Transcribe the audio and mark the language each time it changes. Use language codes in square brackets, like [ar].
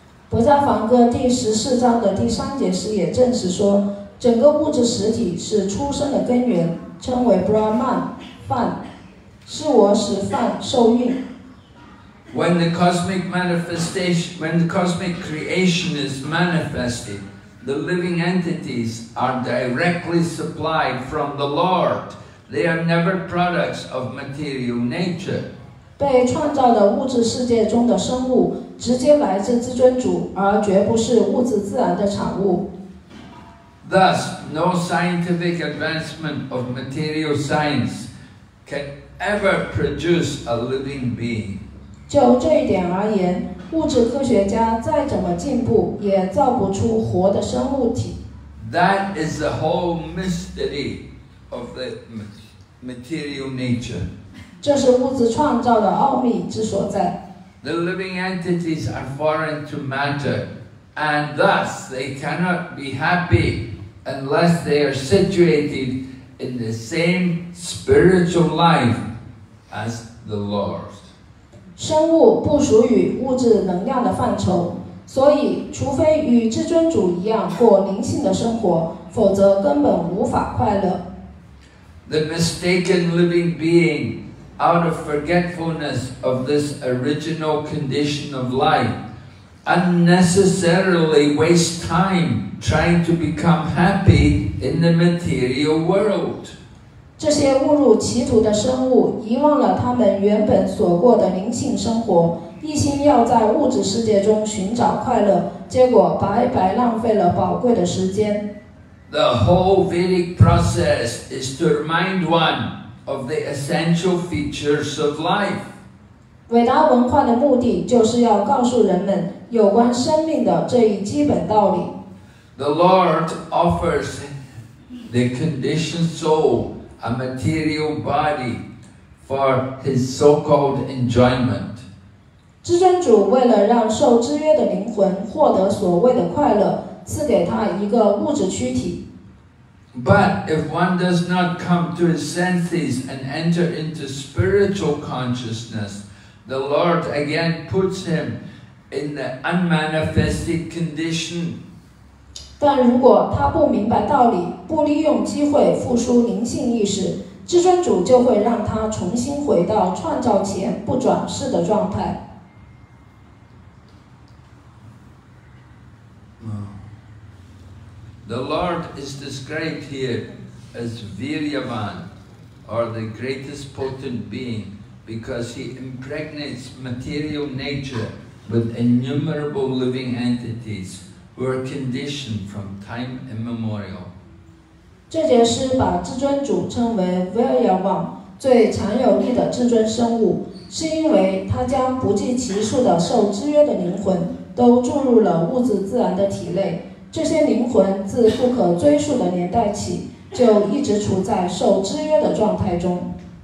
[zh] 博迦梵歌第十四章的第三节时也证实说，整个物质实体是出生的根源，称为 Brahman, 梵，是我使梵受孕。 [en] When the cosmic manifestation, when the cosmic creation is manifested, the living entities are directly supplied from the Lord. They are never products of material nature. [zh] 被创造的物质世界中的生物直接来自至尊主，而绝不是物质自然的产物。 [en] Thus, no scientific advancement of material science can ever produce a living being. [zh] 就这一点而言，物质科学家再怎么进步，也造不出活的生物体。 [en] That is the whole mystery of the material nature. [zh] 这是物质创造的奥秘之所在。 [en] The living entities are foreign to matter, and thus they cannot be happy unless they are situated in the same spiritual life as the Lord. [zh] 生物不属于物质能量的范畴，所以除非与至尊主一样过灵性的生活，否则根本无法快乐。 [en] The mistaken living being, out of forgetfulness of this original condition of life, unnecessarily waste time trying to become happy in the material world. [zh] 这些误入歧途的生物遗忘了他们原本所过的灵性生活，一心要在物质世界中寻找快乐，结果白白浪费了宝贵的时间。 [en] The whole Vedic process is to remind one of the essential features of life. [zh] 伟达文化的目的就是要告诉人们有关生命的这一基本道理。 [en] The Lord offers the conditioned soulA material body for his so-called enjoyment. [zh] 至尊主为了让受制约的灵魂获得所谓的快乐，赐给他一个物质躯体。 [en] But if one does not come to his senses and enter into spiritual consciousness, the Lord again puts him in the unmanifested condition. [zh] 但如果他不明白道理，不利用机会复苏灵性意识，至尊主就会让他重新回到创造前不转世的状态。 [en] The Lord is described here as Viryavan, or the greatest potent being, because he impregnates material nature with innumerable living entities. Were conditioned from time immemorial. [zh] 这节诗把至尊主称为 Viryavan, 最强有力的至尊生物，是因为他将不计其数的受制约的灵魂都注入了物质自然的体内。这些灵魂自不可追溯的年代起，就一直处在受制约的状态中。